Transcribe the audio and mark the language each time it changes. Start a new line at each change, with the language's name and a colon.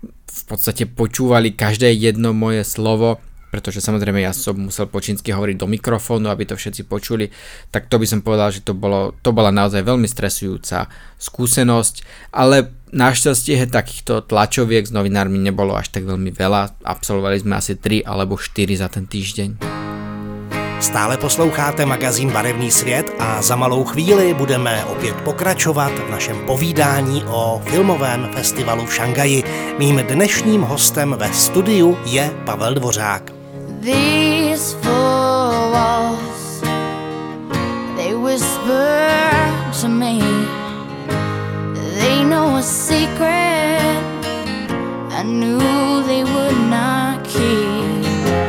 Slovak: v podstate počúvali každé jedno moje slovo, pretože samozrejme ja som musel po čínsky hovoriť do mikrofónu, aby to všetci počuli, tak to by som povedal, že to bola naozaj veľmi stresujúca skúsenosť, ale našťastie takýchto tlačoviek s novinármi nebolo až tak veľmi veľa, absolvovali sme asi 3 alebo 4 za ten týždeň.
Czech: Stále posloucháte magazín Barevný svět a za malou chvíli budeme opět pokračovat v našem povídání o filmovém festivalu v Šangaji. Mým dnešním hostem ve studiu je Pavel Dvořák.
English: These four walls, they whisper to me, they know a secret I knew they would not keep.